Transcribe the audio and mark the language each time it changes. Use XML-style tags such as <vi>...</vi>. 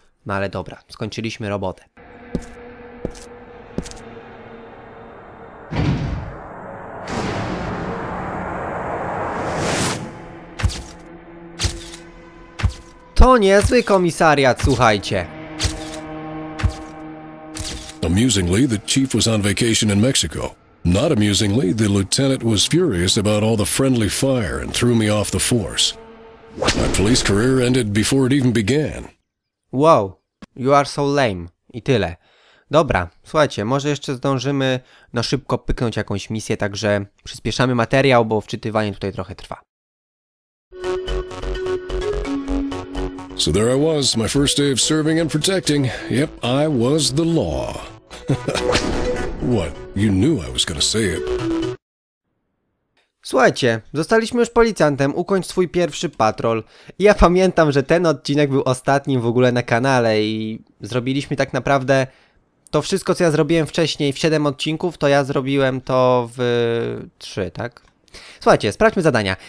<pl>No ale dobra, skończyliśmy robotę. To niezły komisariat, słuchajcie.</pl> <en>Amusingly, the chief was on vacation in Mexico. Not amusingly, the lieutenant was furious about all the friendly fire and threw me off the force. My police career ended before it even began. Wow, you are so lame.</en> <pl>I tyle. Dobra, słuchajcie, może jeszcze zdążymy na szybko pyknąć jakąś misję, także przyspieszamy materiał, bo wczytywanie tutaj trochę trwa.</pl> <en>So there I was, my first day of serving and protecting. Yep, I was the law. What? You knew I was gonna say it.</en> <pl>Słuchajcie, zostaliśmy już policjantem, ukończ swój pierwszy patrol. I ja pamiętam, że ten odcinek był ostatnim w ogóle na kanale i zrobiliśmy tak naprawdę to wszystko, co ja zrobiłem wcześniej w 7 odcinków, to ja zrobiłem to w 3, tak? Słuchajcie, sprawdźmy zadania.</pl>